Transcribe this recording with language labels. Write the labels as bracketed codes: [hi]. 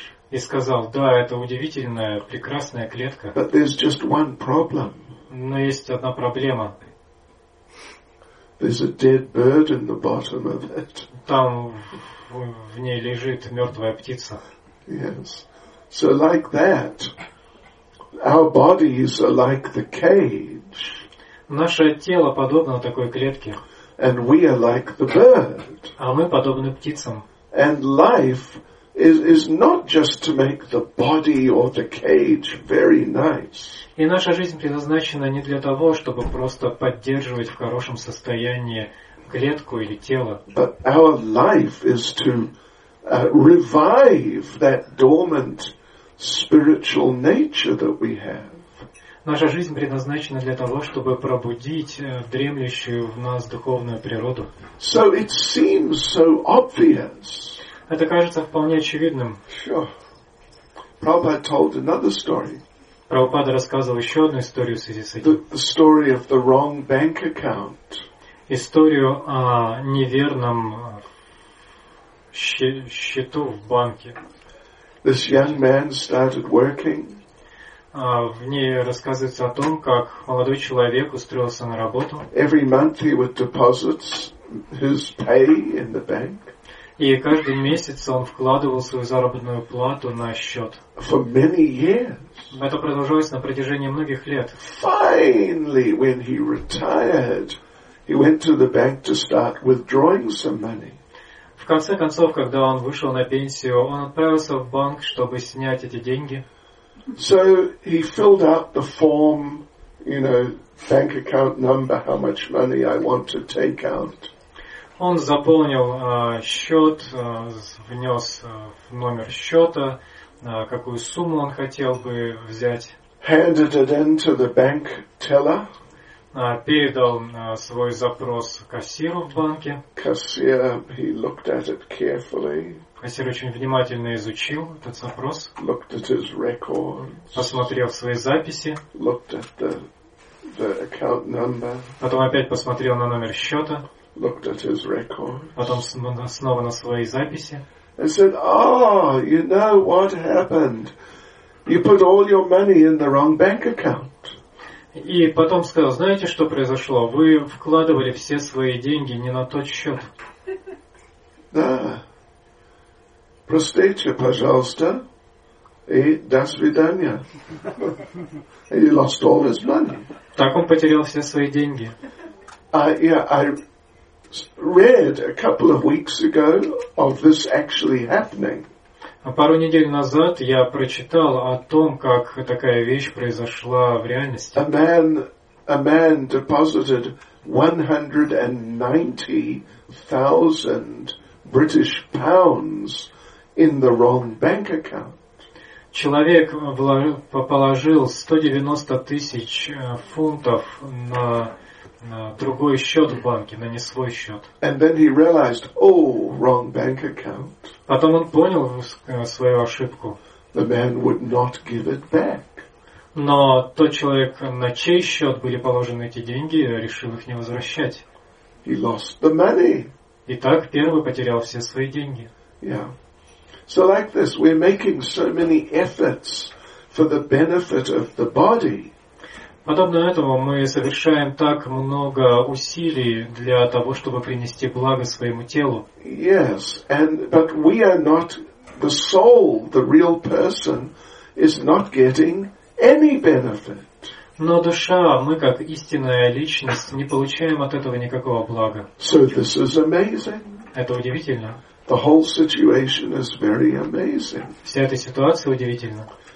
[ru] И сказал: "Да, это удивительная, прекрасная клетка." [en] But there's just one problem. [ru] Но есть одна проблема. [en] There's a dead bird in the bottom of it. [ru] Там в ней лежит мертвая птица. [en] Yes. So like that, our bodies are like the cage. [ru] Наше тело подобно такой клетке. [en] And we are like the bird. [ru] А мы подобны птицам. [en] And life is not just to make the body or the cage very nice. [ru] И наша жизнь предназначена не для того, чтобы просто поддерживать в хорошем состоянии клетку или тело. [en] But our life is to revive that dormant spiritual nature that we have. [ru] Наша жизнь предназначена для того, чтобы пробудить дремлющую в нас духовную природу. [en] So it seems so obvious. [ru] Это кажется вполне очевидным. [en] Sure. Prabhupada told another story. [ru] Прабхупада рассказывал еще одну историю в связи с этим. [en] The story of the wrong bank account. [ru] Историю о неверном счету в банке. [en] This young man started working. [ru] В ней рассказывается о том, как молодой человек устроился на работу. [en] Every month he would deposit his pay in the bank. [ru] И каждый месяц он вкладывал свою заработную плату на счет. [en] For many years. [ru] Это продолжалось на протяжении многих лет. [en] Finally, when he retired, he went to the bank to start withdrawing some money. [ru] В конце концов, когда он вышел на пенсию, он отправился в банк, чтобы снять эти деньги. [en] So he filled out the form, you know, bank account number, how much money I want to take out. [ru] Он заполнил счет, внес в номер счета, какую сумму он хотел бы взять. [en] Handed it in to the bank teller. [ru] Передал свой запрос кассиру в банке. [en] He looked at it carefully. [ru] Кассир очень внимательно изучил этот запрос. [en] Looked at his records. [ru] Посмотрел свои записи. [en] Looked at the account number. [ru] Потом опять посмотрел на номер счета. [en] Looked at his records. [ru] Потом снова на свои записи. [en] And said, "Oh, you know what happened? You put all your money in the wrong bank account." [ru] И потом сказал: знаете, что произошло? Вы вкладывали все свои деньги не на тот счет. Да. Простите, пожалуйста. И до свидания. [en] And he lost all his money. [ru] Так он потерял все свои деньги. [en] I read a couple of weeks ago of this actually happening. [ru] Пару недель назад я прочитал о том, как такая вещь произошла в реальности. [en] A man deposited 190,000 British pounds in the wrong bank account. [ru] Человек положил 190 тысяч фунтов на другой счет в банке, на не свой счет. [en] And then he realized, oh, wrong bank account. [ru] Потом он понял свою ошибку. [en] The man would not give it back. [ru] Но тот человек, на чей счет были положены эти деньги, решил их не возвращать. [en] He lost the money. [ru] И так первый потерял все свои деньги. [en] Yeah. So like this, we're making so many efforts for the benefit of the body. [ru] Подобно этому мы совершаем так много усилий для того, чтобы принести благо своему телу. [en] Yes, and but we are not the soul, the real person is not getting any benefit. [ru] Но душа, мы как истинная личность, не получаем от этого никакого блага. [en] So this is amazing. [ru] Это удивительно. [en] The whole situation is very amazing. [ru] Вся эта ситуация удивительна.